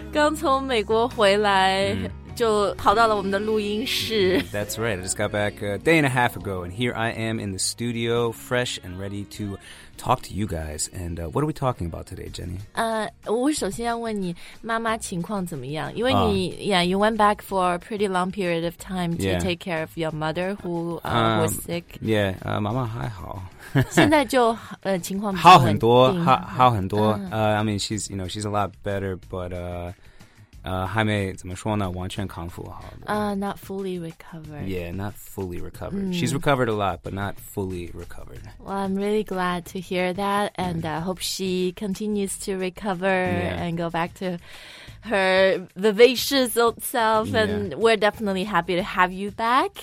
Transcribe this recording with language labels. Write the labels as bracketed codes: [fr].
[zh] 刚从美国回来，就跑到了我们的录音室。 [en] That's right, I just got back a day and a half ago, and here I am in the studio, fresh and ready to talk to you guys. And what are we talking about today, Jenny? 我首先要问你妈妈情况怎么样，因为你、 yeah, you went back for a pretty long period of time to、 yeah. take care of your mother who was sick. [zh] Yeah, 妈妈还好。现在就情况好很多，好很多。 [en] I mean, she's, you know, she's a lot better, but... [zh] 还没怎么说呢，完全康复好的。 [en] Not fully recovered. Yeah, not fully recovered.、Mm. She's recovered a lot, but not fully recovered. Well, I'm really glad to hear that, and I hope she continues to recover、 yeah. and go back to her vivacious old self,、 yeah. and we're definitely happy to have you back.